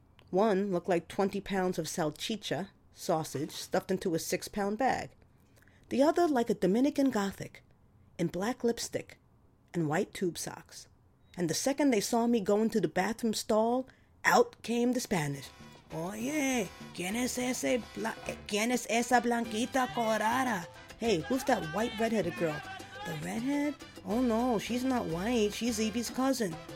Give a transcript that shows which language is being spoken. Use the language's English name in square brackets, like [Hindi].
[English] One looked like 20 pounds of salchicha, sausage, stuffed into a 6-pound bag. The other like a Dominican Gothic, in black lipstick and white tube socks. And the second they saw me go into the bathroom stall, out came the Spanish. [Spanish] Oye, ¿quién es esa blanquita colorada? [English] Hey, who's that white redheaded girl? The redhead? Oh no, she's not white, she's Evie's cousin.